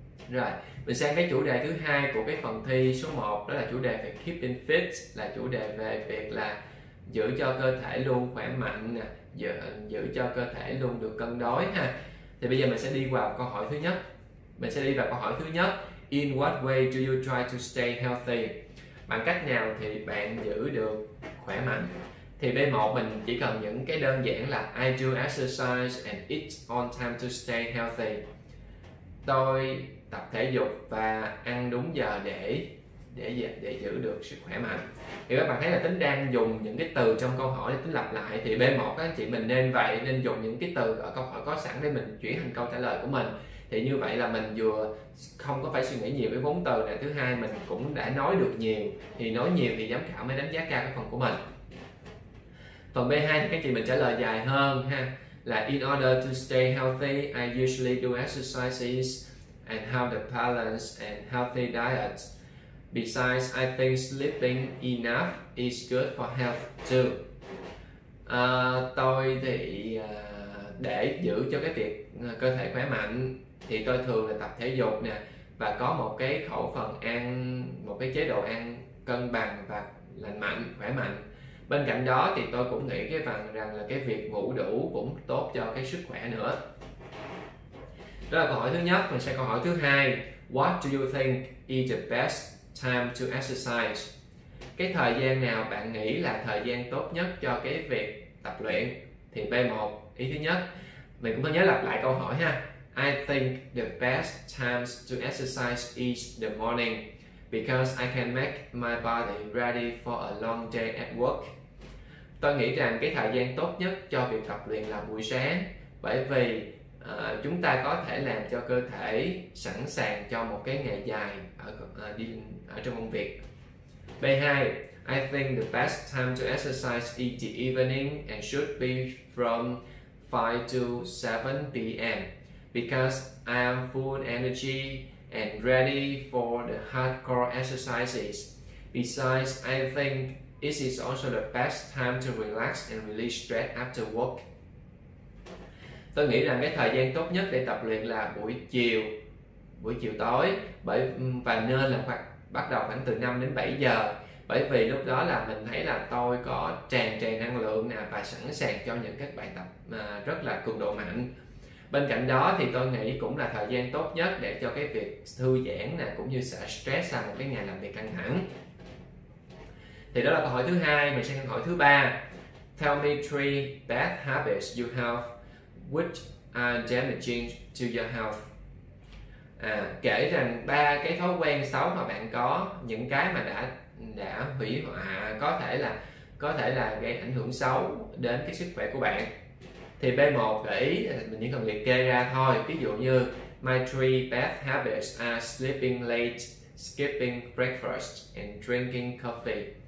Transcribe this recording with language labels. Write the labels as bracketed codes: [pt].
[vi] Rồi, mình sang cái chủ đề thứ hai của cái phần thi số 1, đó là chủ đề về keeping fit, là chủ đề về việc là giữ cho cơ thể luôn khỏe mạnh nè, giữ cho cơ thể luôn được cân đối ha. Thì bây giờ mình sẽ đi vào câu hỏi thứ nhất. Mình sẽ đi vào câu hỏi thứ nhất. [en] In what way do you try to stay healthy? [vi] Bằng cách nào thì bạn giữ được khỏe mạnh? Thì B1 mình chỉ cần những cái đơn giản là [en] I do exercise and eat on time to stay healthy. [vi] Tôi tập thể dục và ăn đúng giờ để giữ được sức khỏe mạnh. Thì các bạn thấy là tính đang dùng những cái từ trong câu hỏi để tính lặp lại, thì B1 các anh chị mình nên vậy, nên dùng những cái từ ở câu hỏi có sẵn để mình chuyển thành câu trả lời của mình. Thì như vậy là mình vừa không có phải suy nghĩ nhiều với vốn từ này, thứ hai mình cũng đã nói được nhiều, thì nói nhiều thì giám khảo mới đánh giá cao cái phần của mình. Phần B2 thì các chị mình trả lời dài hơn ha, là [en] in order to stay healthy I usually do exercises and have the balance and healthy diet. Besides, I think sleeping enough is good for health too. [vi] Tôi thì để giữ cho cái việc cơ thể khỏe mạnh thì tôi thường là tập thể dục nè, và có một cái khẩu phần ăn, một cái chế độ ăn cân bằng và lành mạnh, khỏe mạnh. Bên cạnh đó thì tôi cũng nghĩ cái phần rằng là cái việc ngủ đủ cũng tốt cho cái sức khỏe nữa. Đó là câu hỏi thứ nhất. Mình sẽ câu hỏi thứ hai. [en] What do you think is the best time to exercise? [vi] Cái thời gian nào bạn nghĩ là thời gian tốt nhất cho cái việc tập luyện? Thì B1, ý thứ nhất. Mình cũng phải nhớ lặp lại câu hỏi ha. [en] I think the best times to exercise is the morning because I can make my body ready for a long day at work. [vi] Tôi nghĩ rằng cái thời gian tốt nhất cho việc tập luyện là buổi sáng, bởi vì chúng ta có thể làm cho cơ thể sẵn sàng cho một cái ngày dài ở trong công việc. [en] B2, I think the best time to exercise is the evening and should be from 5 to 7 p.m. because I am full energy and ready for the hardcore exercises. Besides, I think this is also the best time to relax and release stress after work. [vi] Tôi nghĩ rằng cái thời gian tốt nhất để tập luyện là buổi chiều tối, bởi và nên là khoảng bắt đầu khoảng từ 5 đến 7 giờ, bởi vì lúc đó là mình thấy là tôi có tràn trề năng lượng nè và sẵn sàng cho những các bài tập rất là cường độ mạnh. Bên cạnh đó thì tôi nghĩ cũng là thời gian tốt nhất để cho cái việc thư giãn nè, cũng như xả stress sau một cái ngày làm việc căng thẳng. Thì đó là câu hỏi thứ hai, mình sẽ hỏi thứ ba. [en] Tell me three bad habits you have which are damaging to your health. [vi] Kể rằng ba cái thói quen xấu mà bạn có, những cái mà đã hủy hoại, có thể là gây ảnh hưởng xấu đến cái sức khỏe của bạn. Thì B1 gợi ý mình chỉ cần liệt kê ra thôi. Ví dụ như [en] my three bad habits are sleeping late, skipping breakfast and drinking coffee.